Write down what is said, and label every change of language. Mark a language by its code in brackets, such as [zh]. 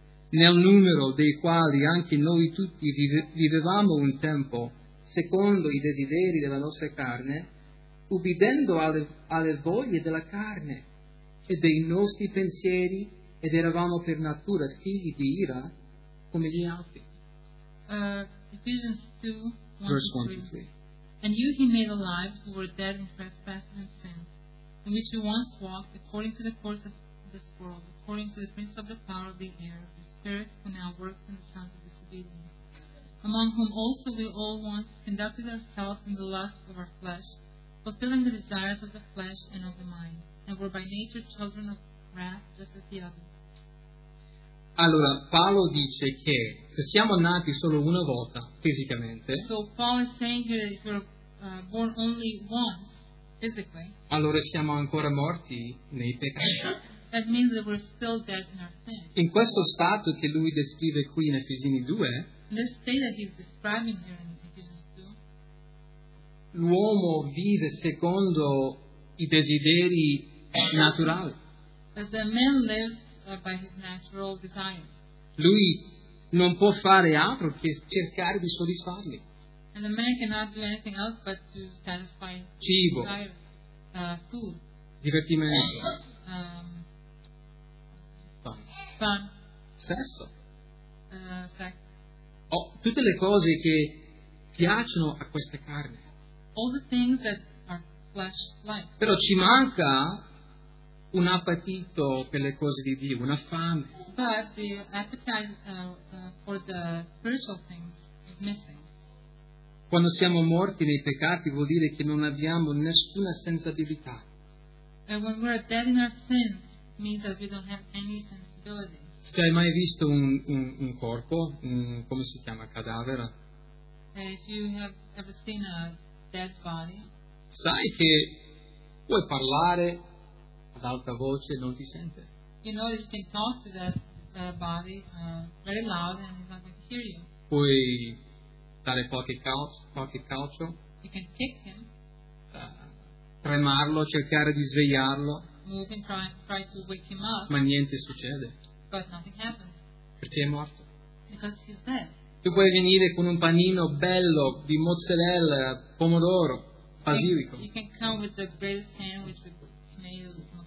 [it] nel numero dei quali anche noi tutti vivevamo un tempo secondo i desideri della nostra carne, ubbidendo alle voglie della carne e dei nostri pensieri, ed eravamo per natura figli di ira come gli altri. [en] Ephesians 2, 1-3. And you he made alive who were dead in trespasses and sins, in which you once walked according to the course of this world, according to the prince of the power of the air, the spirit who now works in the sons of disobedience, among whom also we all once conducted ourselves in the lust of our flesh, fulfilling the desires of the flesh and of the mind, and were by nature children of wrath, just as the others. [it] Allora, Paolo dice che se siamo nati solo una volta, fisicamente, [en] so Paul is saying here that if you're born only once, physically, [it] allora siamo ancora morti nei peccati. [en] That means that we're still dead in our sin. [it] In questo stato che lui descrive qui in Efesini 2, [en] in this state that he's describing here in Ephesians 2, [it] l'uomo vive secondo i desideri naturali. [en] That the man lives by his natural desires. [it] Lui non può fare altro che cercare di soddisfarli. [en] And the man cannot do anything else but to satisfy [it] cibo, [en] his desire, food, [it] divertimento, [en] fun, [it] sesso, [en] sex. [it] Oh, tutte le cose che piacciono a questa carne. [en] All the things that are flesh like. [it] Però ci manca un appetito per le cose di Dio, una fame. [en] But the appetite for the spiritual things is missing. [it] Quando siamo morti nei peccati vuol dire che non abbiamo nessuna sensibilità. [en] And when we're dead in our sins means that we don't have any sensibility. [it] Se hai mai visto un corpo, come si chiama, cadavere? [en] If you have ever seen a dead body, [it] sai che puoi parlare ad alta voce, non ti sente. [en] You know, you can talk to that body very loud and it's not going to hear you. [it] Puoi dare qualche calcio. [en] You can kick him. [it] Tremarlo, cercare di svegliarlo. [en] You can try to wake him up. [it] Ma niente succede. [en] But nothing happens. [it] Perché è morto. [en] Because he's dead. [it] Tu puoi venire con un panino bello di mozzarella, pomodoro, basilico. [en] You can come with the greatest sandwich with tomatoes.